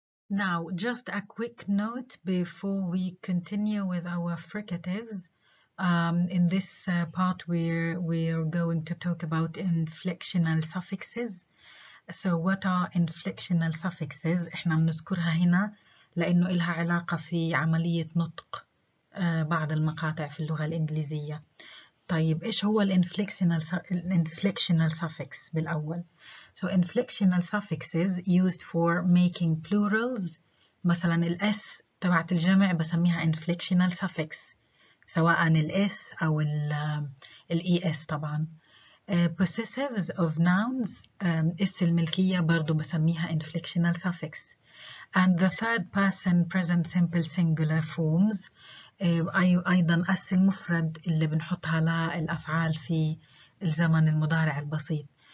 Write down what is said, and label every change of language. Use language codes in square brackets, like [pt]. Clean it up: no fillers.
[en] Now, just a quick note before we continue with our fricatives. In this part, we're going to talk about inflectional suffixes. So, what are inflectional suffixes? [ar] احنا بنذكرها هنا لأنه إلها علاقة في عملية نطق بعض المقاطع في اللغة الإنجليزية. [en] طيب إيش هو الانفليكشنال suffix بالأول؟ So inflectional suffixes used for making plurals. [ar] مثلاً الاس تبعت الجمع بسميها inflectional suffix. سواء الاس أو الاس طبعاً. [en] Possessives of nouns. [ar] اس الملكية برضو بسميها inflectional suffix. [en] And the third person present simple singular forms. [ar] أيضا أس المفرد اللي بنحطها للأفعال في الزمن المضارع البسيط.